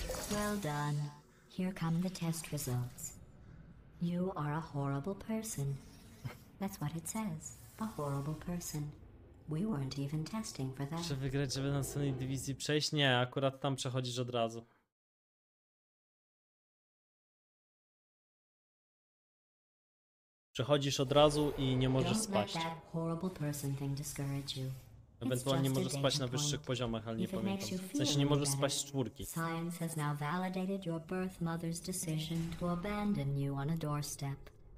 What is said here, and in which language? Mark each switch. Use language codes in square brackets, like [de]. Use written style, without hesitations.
[en] Well done. Here come the test results. You are a horrible person. That's what it says. A horrible person. We weren't even testing for that. [pl] Muszę wygrać, żeby na następnej dywizji przejść? Nie, akurat tam przechodzisz od razu. Przechodzisz od razu i nie możesz spaść. [en] Don't let that horrible person thing discourage you. [pl] Ewentualnie możesz spać na wyższych poziomach, ale nie pamiętam. W sensie nie możesz spać z czwórki. [en] Science has now validated your birth mother's decision to abandon you on a doorstep.